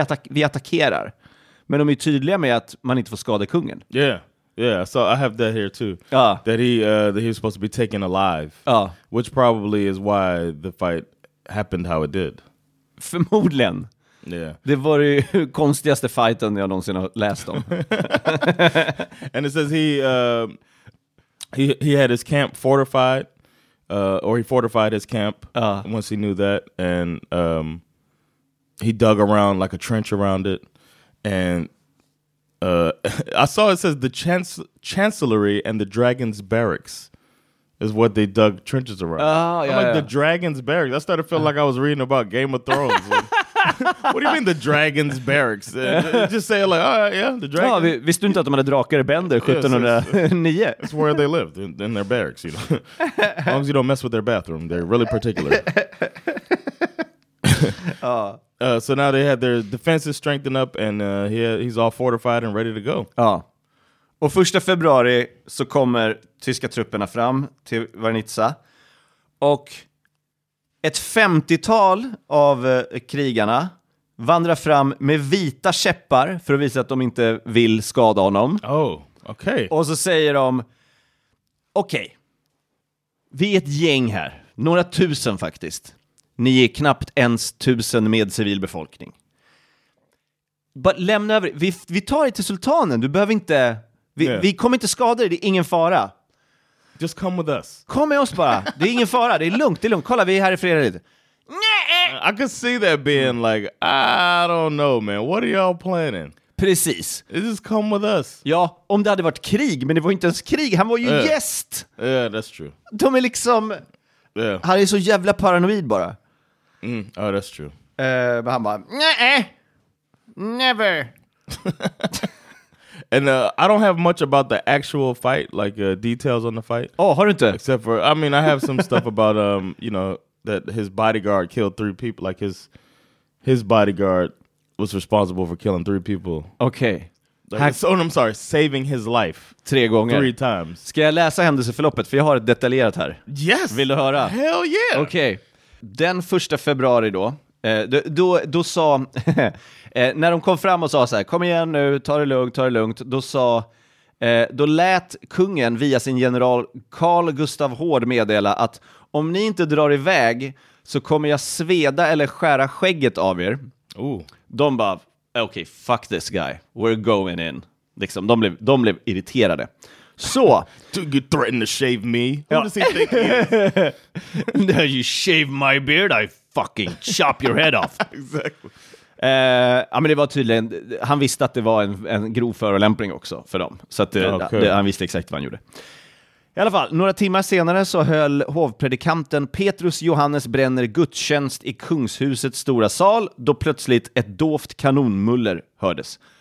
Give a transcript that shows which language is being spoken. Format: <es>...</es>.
<sv>Vi attackerar. Men de är tydliga med att man inte får skada kungen.</sv> <en>Yeah. Yeah, so I have that here too. That he was supposed to be taken alive. Which probably is why the fight happened how it did.</en> <sv>Förmodligen.</sv> <en>Yeah.</en> <sv>Det var ju konstigaste fighten jag någonsin har läst om.</sv> <en>And it says he had his camp fortified or he fortified his camp once he knew that, and he dug around like a trench around it. And I saw it says the chancellery and the dragon's barracks is what they dug trenches around. Oh, yeah. The dragon's barracks. I started feeling like I was reading about Game of Thrones. What do you mean the dragon's barracks? Just say like, oh, yeah, the dragon.</en> <sv>Ja, visste du inte att de hade drakar i Bender 1709?</sv> <en>Yeah, it's where they lived, in their barracks, you know. As long as you don't mess with their bathroom, they're really particular. So now they had their defenses strengthened up and he's all fortified and ready to go.</en> <sv>Ja. Och 1 februari så kommer tyska trupperna fram till Varnitsa. Och ett 50-tal av krigarna vandrar fram med vita käppar för att visa att de inte vill skada honom. Oh, okej.</sv> <en>Okay.</en> <sv>Och så säger de, okej, vi är ett gäng här. Några tusen faktiskt. Ni är knappt ens 1000 med civilbefolkning. Bara lämna över. Vi tar dig till sultanen. Du behöver inte. Vi kommer inte skada dig. Det är ingen fara.</sv> <en>Just come with us.</en> <sv>Kom med oss bara. Det är ingen fara. Det är lugnt. Det är lugnt. Kolla, vi är här i fredag.</sv> <en>I could see that being like, I don't know, man. What are y'all planning?</en> <sv>Precis.</sv> <en>Just come with us.</en> <sv>Ja, om det hade varit krig. Men det var inte ens krig. Han var ju gäst.</sv> <en>Yeah, that's true.</en> <sv>De är liksom... Yeah. Han är så jävla paranoid bara.</sv> <en>Mm. Oh, that's true.</en> <sv>Men han bara, nej. Never.</sv> <en>And I don't have much about the actual fight, like details on the fight.</en> <sv>Oh, har du inte?</sv> <en>Except for, I mean, I have some stuff about, you know, that his bodyguard killed three people. Like his bodyguard was responsible for killing three people. Okay. I'm sorry, saving his life.</en> <sv>Tre gånger.</sv> <en>Three times.</en> <sv>Ska jag läsa händelseförloppet? För jag har ett detaljerat här.</sv> <en>Yes!</en> <sv>Vill du höra?</sv> <en>Hell yeah!</en> <sv>Okay. Den 1 februari då. Då sa när de kom fram och sa så här, kom igen nu, ta det lugnt, då lät kungen via sin general Carl Gustav Hård meddela att om ni inte drar iväg så kommer jag sveda eller skära skägget av er.</sv> <en>Oh.</en> <sv>De bara,</sv> <en>okay, fuck this guy, we're going in liksom.</en> <sv>De blev irriterade. Så.</sv> <en>Do you threaten to shave me? Ja. What does he think he is? No, you shave my beard, I fucking chop your head off. Exactly.</en> <sv>Ja, men det var tydligen, han visste att det var en grov förolämpning också för dem. Så att, han visste exakt vad han gjorde. I alla fall, några timmar senare så höll hovpredikanten Petrus Johannes Brenner gudstjänst i kungshusets stora sal, då plötsligt ett dovt kanonmuller hördes.</sv>